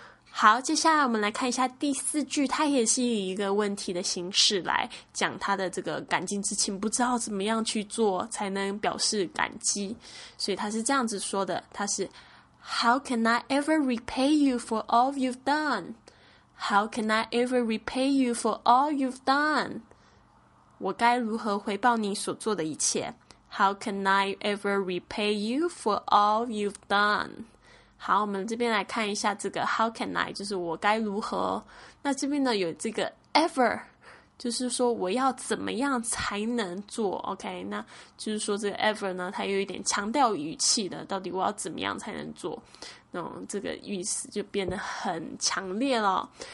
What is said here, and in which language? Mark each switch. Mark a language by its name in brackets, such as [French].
[Chinese] 好，接下来我们来看一下第四句，它也是以一个问题的形式来讲它的这个感激之情，不知道怎么样去做才能表示感激，所以它是这样子说的，它是 [English] How can I ever repay you for all you've done? How can I ever repay you for all you've done? [Chinese] 我该如何回报你所做的一切？ [English] How can I ever repay you for all you've done? [Chinese] 好，我们这边来看一下这个 [English] How can I， [Chinese] 就是我该如何。那这边呢有这个 ever， 就是说我要怎么样才能做， OK， 那就是说这个 ever 呢，它有一点强调语气的，到底我要怎么样才能做，那这个意思就变得很强烈了。